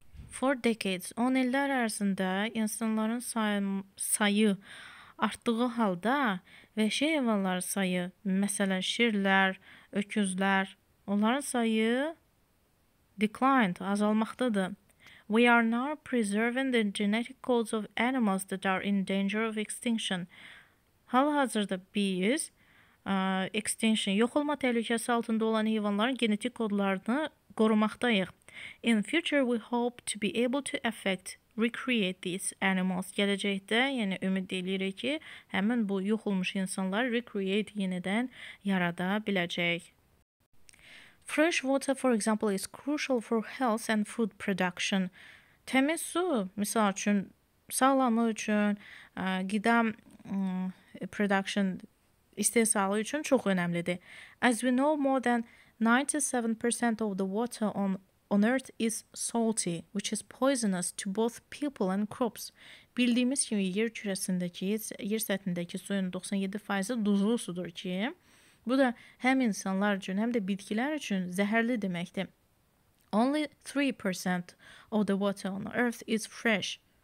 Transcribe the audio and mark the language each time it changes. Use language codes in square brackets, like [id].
[en] For decades, [az] 10 illər ərzində insanların sayı artdığı halda vəhşi heyvanların sayı, məsələn, şirlər, öküzlər, onların sayı [en] declined, [az] azalmaqdadır. [en] We are now preserving the genetic codes of animals that are in danger of extinction. [az] Hal-hazırda biz [en] extinction, [az] yox olma təhlükəsi altında olan heyvanların genetik kodlarını qorumaqdayıq. [en] In the future, we hope to be able to affect, recreate these animals. [az] Gələcəkdə, yəni ümid edirik ki, həmin bu yox olmuş insanlar [en] recreate [az] yenidən yarada biləcək. [en] Fresh water, for example, is crucial for health and food production. [az] Təmiz su, misal üçün, sağlamlıq üçün, qida [en] production [az] istehsalı üçün çox önəmlidir. [en] As we know, more than 97% of the water on Earth is salty, which is poisonous to both people and crops. [az] Bildiyimiz kimi, yer kürəsindəki, yer səthindəki suyun 97%-i duzlu sudur ki, bu da həm insanlar üçün, həm də bitkilər üçün zəhərli deməkdir. [en] Only 3% of the water on Earth is fresh.